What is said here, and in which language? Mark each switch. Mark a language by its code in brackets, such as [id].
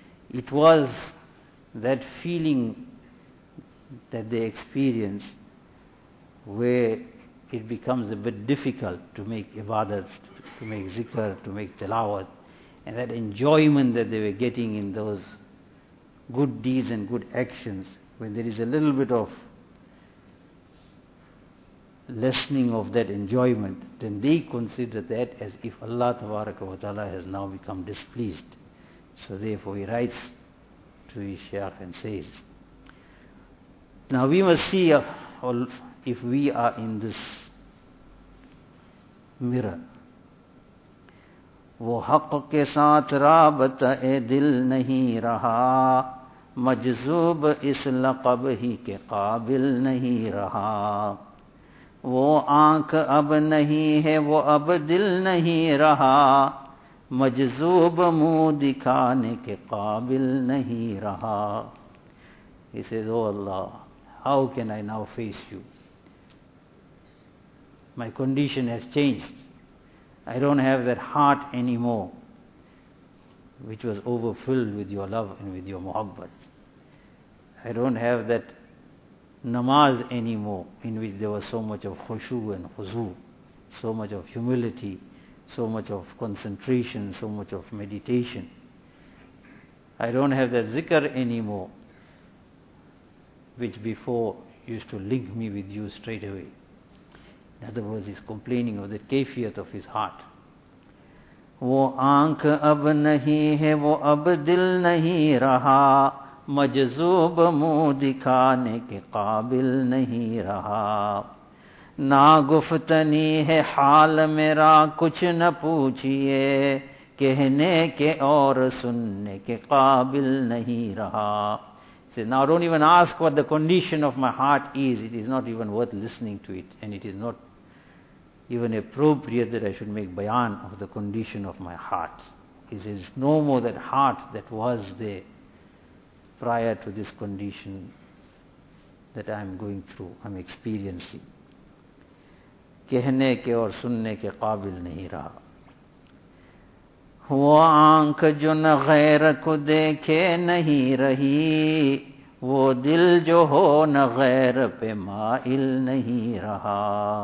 [en] It was that feeling that they experience where it becomes a bit difficult to make ibadat, to make zikr, to make tilawat, and that enjoyment that they were getting in those good deeds and good actions, when there is a little bit of lessening of that enjoyment, then they consider that as if Allah Tabaraka wa Ta'ala has now become displeased. So therefore he writes to his shaykh and says, now we must see if we are in this mirror. [ur] وہ حق کے ساتھ رابطہ اے دل نہیں رہا, مجذوب اس لقب ہی کے قابل نہیں رہا. وہ آنکھ اب نہیں ہے وہ اب دل نہیں رہا, مجذوب منہ دکھانے کے قابل نہیں رہا. [en] He says, oh Allah, how can I now face you? My condition has changed. I don't have that heart anymore, which was overfilled with your love and with your muhabbat. I don't have that namaz anymore, in which there was so much of khushu and khuzu, so much of humility, so much of concentration, so much of meditation. I don't have that zikr anymore, which before used to link me with you straight away. In other words, he's complaining of the kafiyat of his heart. [ur] وہ آنکھ اب نہیں ہے وہ اب دل نہیں رہا, مجذوب منہ دکھانے کے قابل نہیں رہا. نہ گفتنی ہے حال میرا کچھ نہ پوچھئے, کہنے کے اور سننے کے قابل نہیں رہا. [en] Now don't even ask what the condition of my heart is. It is not even worth listening to it, and it is not even appropriate that I should make bayan of the condition of my heart. He says, no more that heart that was there prior to this condition that I am going through, I am experiencing. [ur] کہنے کے اور سننے کے قابل نہیں رہا. وہ آنکھ جو نہ غیر کو دیکھے نہیں رہی, وہ دل جو ہو نہ غیر پہ مائل نہیں رہا.